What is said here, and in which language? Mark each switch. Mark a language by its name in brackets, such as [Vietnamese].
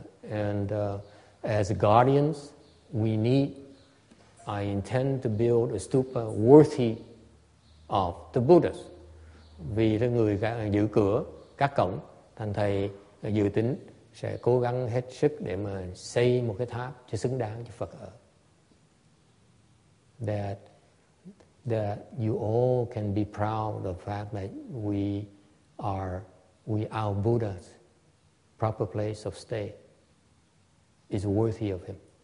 [English] And as guardians, I intend to build a stupa worthy of the Buddhas. [Vietnamese] Vì là người giữ cửa các cổng, thành thầy dự tính sẽ cố gắng hết sức để mà xây một cái tháp cho xứng đáng cho Phật ở. [English] That you all can be proud of the fact that our Buddha's proper place of stay is worthy of him.